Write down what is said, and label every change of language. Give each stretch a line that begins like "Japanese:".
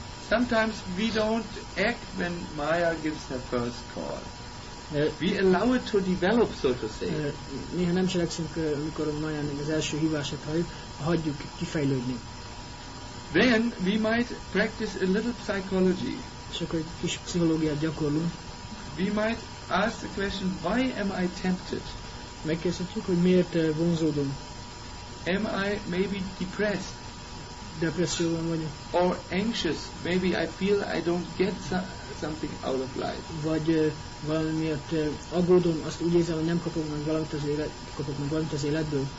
English: Sometimes we don't act when Maya gives her first call. We allow it to develop, so to say.
Hungarian: Néha nem cselekszünk, amikor Maya az első hívását halljuk, hagyjuk kifejlődni.
English: Then we might practice a little psychology.
Hungarian: És akkor egy kis pszichológiát gyakorlunk.
English: We might ask the question, why am I tempted?
Hungarian: Megkérdezhetjük, hogy miért vonzódom.
English: Am I maybe depressed?
Hungarian: Depresszióban vagyok.
English: Or anxious, maybe I feel I don't get something out of life.
Hungarian: Vagy valamiért aggódom, azt úgy érzem, hogy nem kapok meg valamit az élet, kapok meg valamit az életből.